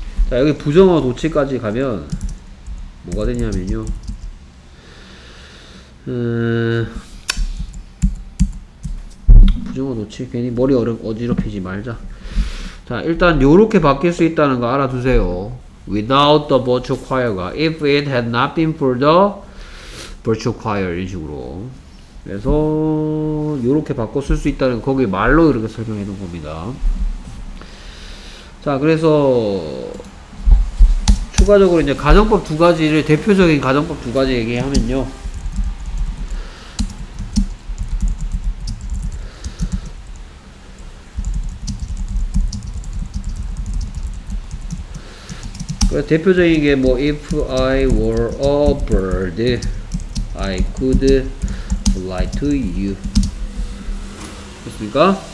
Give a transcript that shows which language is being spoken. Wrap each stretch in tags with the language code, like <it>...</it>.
<ko>자, 여기 부정어 도치까지 가면 뭐가 되냐면요, 부정어 놓지. 괜히 머리 어지럽히지 말자. 자, 일단 요렇게 바뀔 수 있다는 거 알아두세요.</ko> <en>Without the virtual choir가 if it had not been for the virtual choir,</en> <ko>이런 식으로. 그래서 요렇게 바꿔 쓸 수 있다는 거, 거기 말로 이렇게 설명해 놓은 겁니다. 자, 그래서 추가적으로 이제 가정법 두 가지를, 대표적인 가정법 두 가지 얘기하면요, 대표적인 게 뭐,</ko> <en>if I were a bird, I could fly to you.</en> <ko>됐습니까?</ko>